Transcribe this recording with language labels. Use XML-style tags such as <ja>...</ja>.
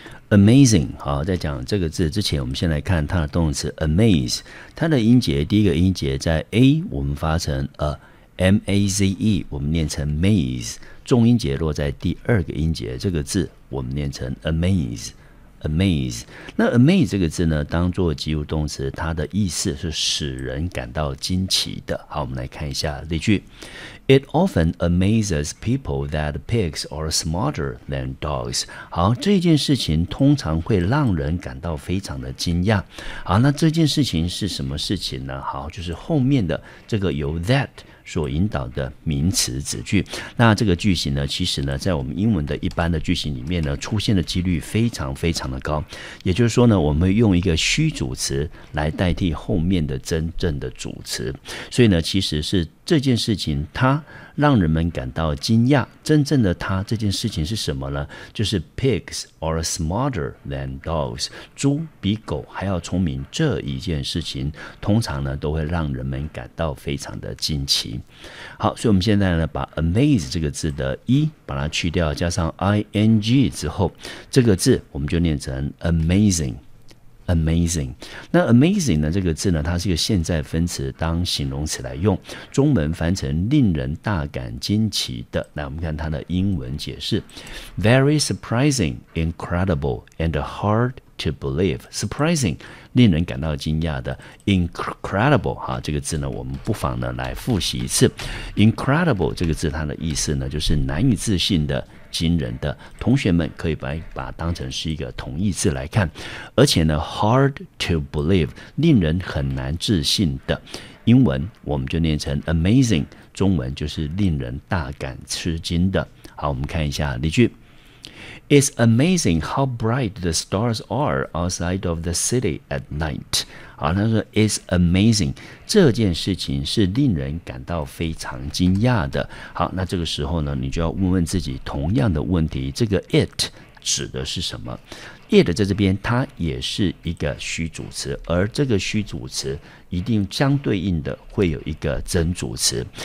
<zh>amazing， 好，在讲这个字之前，我们先来看它的动词 amaze， 它的音节第一个音节在 a， 我们发成 maze， 我们念成 maze， 重音节落在第二个音节，这个字我们念成 amaze。 Amaze， 那 amaze 这个字呢，当作及物动词，它的意思是使人感到惊奇的。好，我们来看一下例句。</zh> <en>It often amazes people that pigs are smarter than dogs。</en> <zh>好，这件事情通常会让人感到非常的惊讶。好，那这件事情是什么事情呢？好，就是后面的这个由 that。所引导的名词子句，那这个句型呢，其实呢，在我们英文的一般的句型里面呢，出现的几率非常非常的高。也就是说呢，我们用一个虚主词来代替后面的真正的主词，所以呢，其实是这件事情它让人们感到惊讶。真正的它这件事情是什么呢？就是</zh> <en>pigs are smarter than dogs，</en> <zh>猪比狗还要聪明。这一件事情通常呢都会让人们感到非常的惊奇。好，所以我们现在呢把 amaze 这个字的 e 把它去掉，加上 ing 之后，这个字我们就念成 amazing。 amazing， 那 amazing 呢这个字呢，它是一个现在分词，当形容词来用，中文翻成令人大感惊奇的。来，我们看它的英文解释。</zh> <en>Very surprising, incredible, and hard to believe。</en> <zh>surprising，令人感到惊讶的 incredible， 哈，这个字呢我们不妨呢来复习一次。 incredible 这个字它的意思呢就是难以置信的，惊人的。同学们可以把它当成是一个同义字来看。而且呢</zh> <en>hard to believe，</en> <zh>令人很难置信的，英文我们就念成 amazing， 中文就是令人大感吃惊的。好，我们看一下例句。</zh> <en>It's amazing how bright the stars are outside of the city at night.</en> <zh>好，他说</zh> <en>It's amazing，</en> <zh>这件事情是令人感到非常惊讶的。好，那这个时候呢，你就要问问自己同样的问题，这个 it 指的是什么？ It 在这边它也是一个虚主词，而这个虚主词一定相对应的会有一个真主词。</zh>